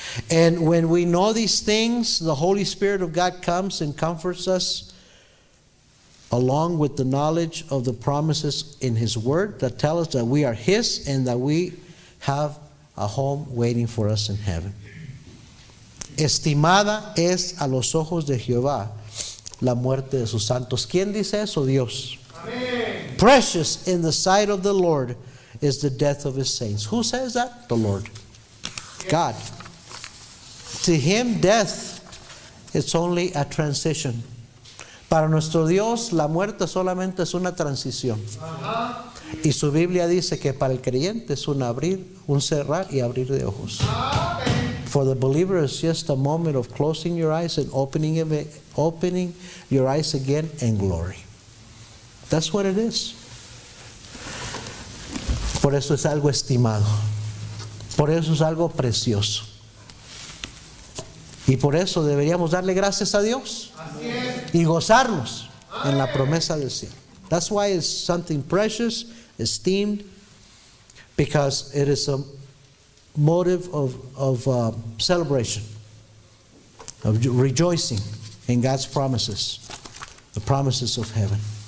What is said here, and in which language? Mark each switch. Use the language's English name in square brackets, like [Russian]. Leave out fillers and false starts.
[English] And when we know these things, the Holy Spirit of God comes and comforts us along with the knowledge of the promises in His Word that tell us that we are His and that we have a home waiting for us in heaven. [Spanish] Estimada es a los ojos de Jehová la muerte de sus santos. ¿Quién dice eso? Dios. Amén. [English] Precious in the sight of the Lord is the death of His saints. Who says that? The Lord. God. To Him, death is only a transition. [Spanish] Para nuestro Dios, la muerte solamente es una transición. Uh-huh. Y su Biblia dice que para el creyente es un abrir, un cerrar y abrir de ojos. Amen. [English] For the believer, it's just a moment of closing your eyes and opening your eyes again in glory. That's what it is. [Spanish] Por eso es algo estimado. Por eso es algo precioso. Y por eso deberíamos darle gracias a Dios. Así es. Y gozarnos en la promesa del cielo. [English] That's why it's something precious, esteemed, because it is a motive of celebration, of rejoicing in God's promises, the promises of heaven.